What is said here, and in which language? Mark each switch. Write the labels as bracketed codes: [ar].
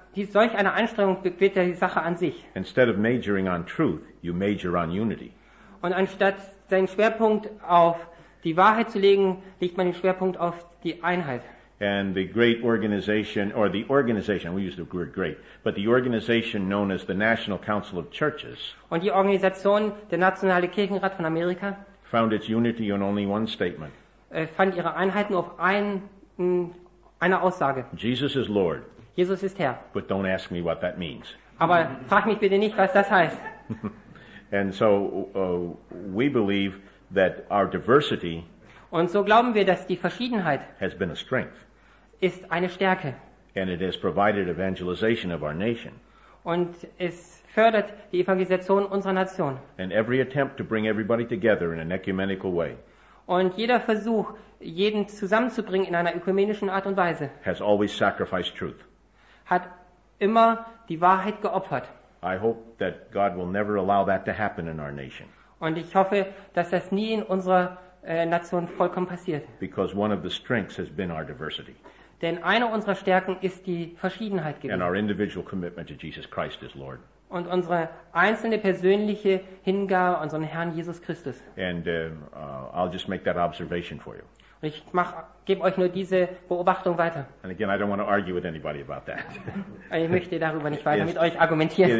[de] Solch eine Anstrengung wird ja die Sache an sich. [en] Instead of majoring on truth, you major on unity. [de] Und anstatt seinen Schwerpunkt auf die Wahrheit zu legen, legt man den Schwerpunkt auf die Einheit. [en] And the great organization, or the organization, we use the word great, but the organization known as the National Council of Churches. [de] Und die Organisation, der Nationale Kirchenrat von Amerika. [en] Found its unity on only one statement. [de] Fand ihre Einheit nur auf einer Aussage. [en] Jesus is Lord. [de] Jesus ist Herr. [en] But don't ask me what that means. [de] Aber frag mich bitte nicht, was das heißt. [en] And so we believe that our diversity. [de] Und so glauben wir, dass die Verschiedenheit [en] has been a strength. [de] Ist eine Stärke. [en] And it has provided evangelization of our nation. [de] Und es fördert die Evangelisation unserer Nation. [en] And every attempt to bring everybody together in an ecumenical way. [de] Und jeder Versuch, jeden zusammenzubringen in einer ökumenischen Art und Weise, [en] has always sacrificed truth. [de] Hat immer die Wahrheit geopfert. [en] I hope that God will never allow that to happen in our nation. [de] Und ich hoffe, dass das nie in unserer Nation vollkommen passiert. [en] Because one of the strengths has been our diversity. [de] Denn eine unserer Stärken ist die Verschiedenheit gewesen. [en] And our individual commitment to Jesus Christ as Lord. [de] Und unsere einzelne persönliche Hingabe an unseren Herrn Jesus Christus. [en] And I'll just make that observation for you. [de] Und ich gebe euch nur diese Beobachtung weiter. [en] And again, I don't want to argue with anybody about that. [de] Ich möchte darüber nicht weiter mit euch argumentieren.